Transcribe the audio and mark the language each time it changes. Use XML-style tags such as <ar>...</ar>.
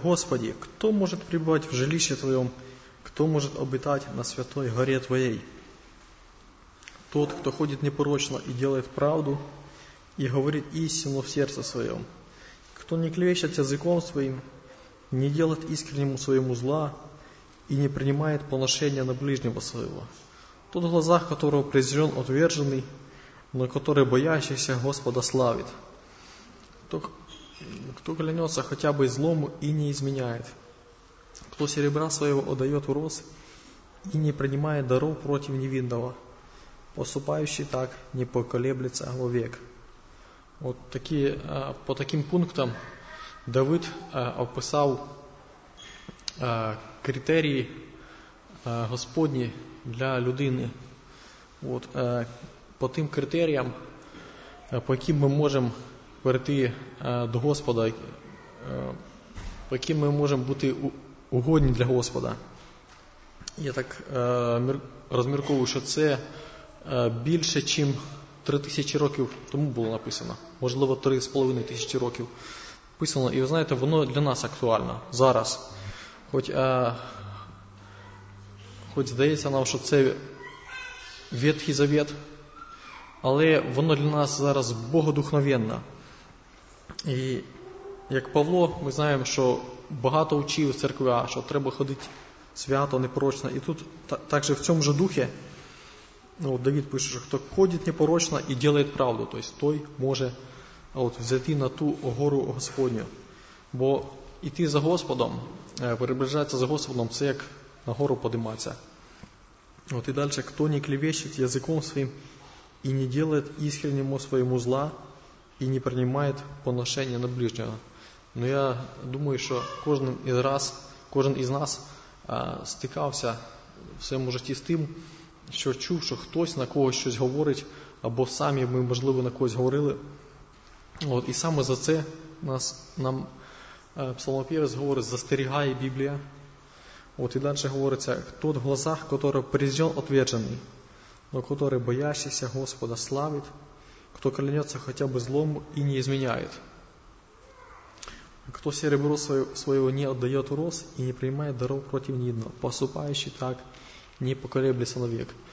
<uk>Господи, хто може прибувати в жилищі Твоєму? Хто може обитати на святой горе Твоєї? Тот, хто ходить непорочно і делает правду, і говорить істину в серце своєму. Хто не клевещет языком своїм, не делает искреннему своєму зла і не приймає поношення на ближнього своєго.</uk> <ru>Тот, в глазах которого презрен отверженный, но который боящийся Господа славит. Кто клянется хотя бы злому и не изменяет. Кто серебра своего отдает в рост и не принимает даров против невинного. Поступающий так не поколеблется вовек. Вот такие, по таким пунктам Давид описал критерии</ru> <uk>Господні для людини. Вот, по тим критеріям, по яким ми можемо прийти до Господа, по яким ми можемо бути угодні для Господа. Я так розмірковую, що це більше, ніж 3000 років тому було написано. Можливо, 3500 років написано. І ви знаєте, воно для нас актуально зараз. Хоч здається нам, що це Ветхий Завет, але воно для нас зараз богодухновенно. І як Павло, ми знаємо, що багато учив церква, що треба ходити свято, непорочно. І тут також в цьому ж духі, ну, Давид пише, що хто ходить непорочно і робить правду, тобто той може взяти на ту гору Господню. Бо йти за Господом, приближатися за Господом, це як на гору подиматися. От і далі, хто не клевещить язиком своїм,</uk> <ru>и не делает искреннему своему зла, и не принимает поношения на ближнего. Но я думаю, что каждый из нас</ru> <uk>стикался в своем житті</uk> <ru>с тем, что чув, что кто-то на кого-то что-то говорит, або сами мы, возможно, на кого-то говорили. Вот. И саме за це нам псалмопевець говорит, застерігає Библия. Вот. И дальше говорится, тот в глазах, который презрен отверженный, но который боящийся Господа славит, кто клянется хотя бы злому и не изменяет. Кто серебро своего не отдает в рост и не принимает даров против нидного, поступающий так не поколеблется навек.</ru>